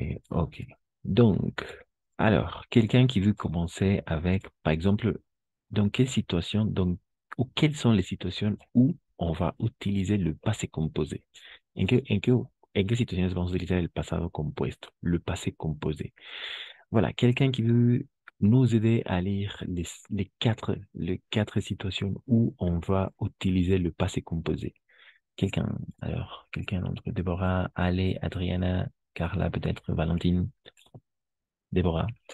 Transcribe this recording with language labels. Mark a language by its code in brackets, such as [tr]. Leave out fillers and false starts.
[fr] Ok. Donc, alors, quelqu'un qui veut commencer avec, par exemple, dans quelle situation, ou quelles sont les situations où on va utiliser le passé composé? [es] En qué situaciones vamos a utilizar el pasado compuesto, [fr] le passé composé? Voilà, quelqu'un qui veut nous aider à lire les quatre situations où on va utiliser le passé composé. Quelqu'un d'entre Déborah, Ale, Adriana, Carla, peut-être Valentine. Déborah.